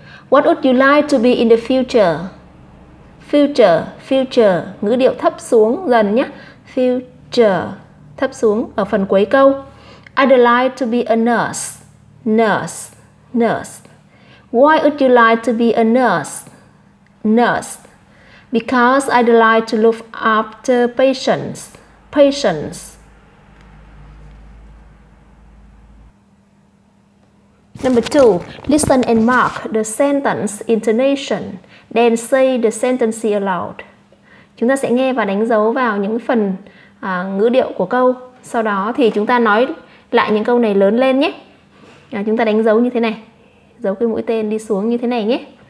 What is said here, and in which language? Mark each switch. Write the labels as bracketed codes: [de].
[en] What would you like to be in the future? [vi] Future, future, ngữ điệu thấp xuống dần nhé. Future, thấp xuống ở phần cuối câu. [en] I'd like to be a nurse. Nurse, nurse. Why would you like to be a nurse? Nurse. Because I'd like to look after patients. Patients. Number 2, listen and mark the sentence intonation, then say the sentence aloud. [vi] Chúng ta sẽ nghe và đánh dấu vào những phần ngữ điệu của câu. Sau đó thì chúng ta nói lại những câu này lớn lên nhé. Chúng ta đánh dấu như thế này. Dấu cái mũi tên đi xuống như thế này nhé.